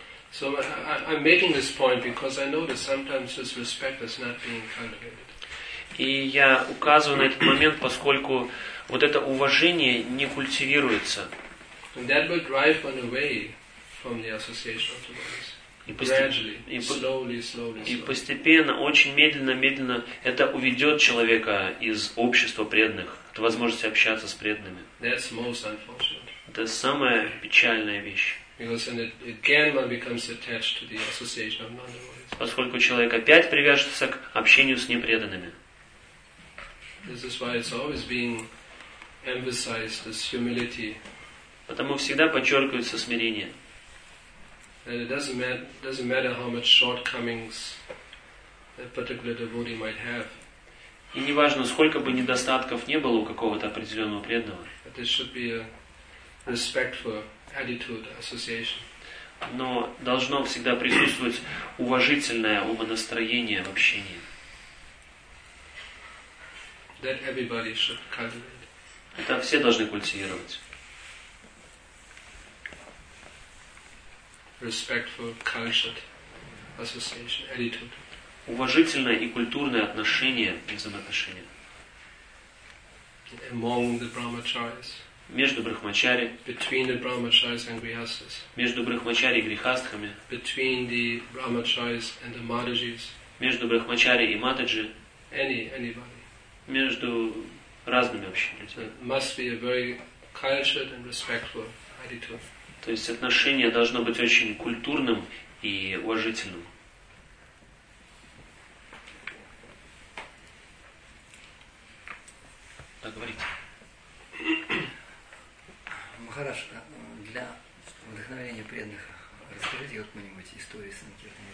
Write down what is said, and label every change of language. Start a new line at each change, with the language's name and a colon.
English: So I'm making this point because I know that sometimes this respect is not being cultivated.
Russian: И я указываю на этот момент, поскольку вот это уважение не культивируется.
English: And that will drive one away from the association of devotees.
Russian: И постепенно, очень медленно, это уведет человека из общества преданных, от возможности общаться с преданными.
English: That's most unfortunate.
Russian: Это самая печальная вещь.
English: Because then again one becomes attached to the association of non-devotees.
Russian: Поскольку человек опять привяжется к общению с непреданными.
English: This is why it's always being emphasized as humility.
Russian: Потому всегда подчеркивается смирение.
English: And it doesn't matter how much shortcomings a particular devotee might have.
Russian: И не важно, сколько бы недостатков не было у какого-то определенного преданного.
English: But there should be a respectful attitude association.
Russian: Но должно всегда присутствовать уважительное умонастроение в общении.
English: That everybody should cultivate.
Russian: Это все должны культивировать.
English: Respectful, cultured association attitude.
Russian: Уважительное и культурное отношение, взаимоотношения.
English: Among the brahmacharis.
Russian: Между брахмачари.
English: Between the brahmacharis and grihasthas.
Russian: Между брахмачари и грихастхами.
English: Between the brahmacharis and the madhijis.
Russian: Между брахмачари и матаджи.
English: Anybody.
Russian: Между разными общинами.
English: Must be a very cultured and respectful attitude.
Russian: То есть отношение должно быть очень культурным и уважительным. Так, говорите. Махараш, для вдохновения преданных расскажите какую-нибудь историю санкиртаны.